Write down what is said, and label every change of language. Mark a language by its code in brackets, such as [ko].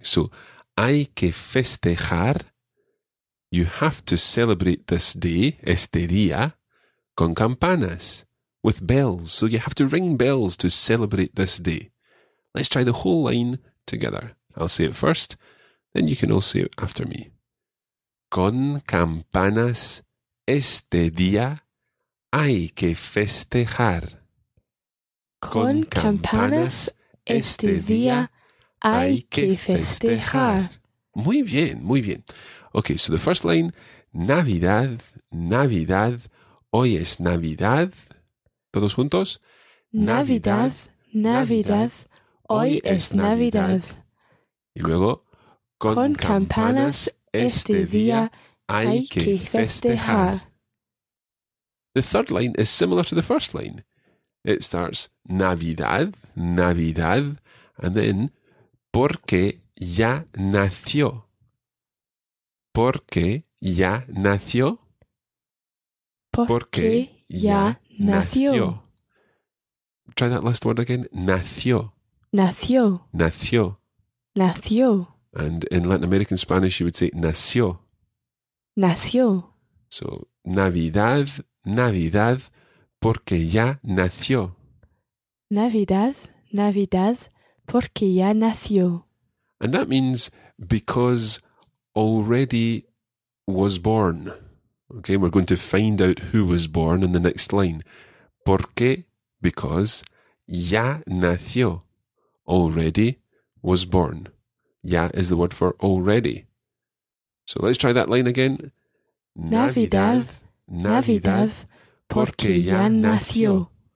[en] So, [es] hay que festejar. [en] You have to celebrate this day, [es] este día, con campanas, [en] with bells. So you have to ring bells to celebrate this day. Let's try the whole line together. I'll say it first, then you can all say it after me. [es] Con campanas este día hay que festejar. Con campanas este día hay que festejar. Muy bien, muy bien. Okay, so the first line, Navidad, Navidad, hoy es Navidad. Todos juntos. Navidad, Navidad, hoy es Navidad. Y luego, con campanas este día hay que festejar. [en] The third line is similar to the first line. It starts [es] Navidad, Navidad, [en] and then [es] porque ya nació. Porque ya nació. Porque ya nació. [en] Try that last word again. [es] Nació. Nació. Nació. Nació. [en] And in Latin American Spanish, you would say nació. [es] Nació. So, Navidad, Navidad, porque ya nació. Navidad, Navidad, porque ya nació. [en] And that means because already was born. Okay, we're going to find out who was born in the next line. [es] ¿Por qué? [en] Because [es] ya nació, [en] already was born. Ya is the word for already. So let's try that line again. [es] Navidad, Navidad, Navidad porque ya nació.